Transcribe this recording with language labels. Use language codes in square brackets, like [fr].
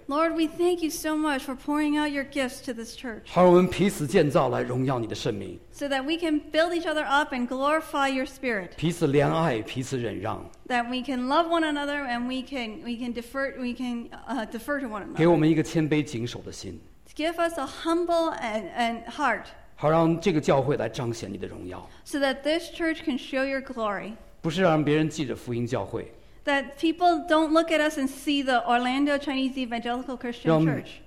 [en] Lord, we thank you so much for pouring out your gifts to this church. [zh] 好，我们彼此建造来荣耀你的圣名。 [en] So that we can build each other up and glorify your spirit. [zh] 彼此怜爱，彼此忍让。 [en] That we can love one another and we can defer to one another. [zh] 给我们一个谦卑谨守的心。 [en] Give us a humble and heart. [zh] 好，让这个教会来彰显你的荣耀。 [en] So that this church can show your glory. [zh] 不是让别人记着福音教会。 [en] That people don't look at us and see the Orlando Chinese Evangelical Christian Church.